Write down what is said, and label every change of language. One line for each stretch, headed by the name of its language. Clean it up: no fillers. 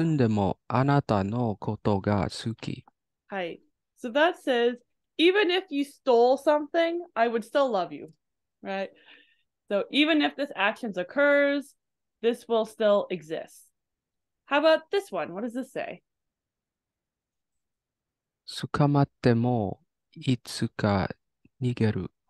Japanese: 盗んでもあなたのことが好き.
English: Hi. So that says, even if you stole something, I would still love you, right? So even if this action occurs, this will still exist. How about this one? What does this say?
Japanese: 捕まってもいつか逃げる.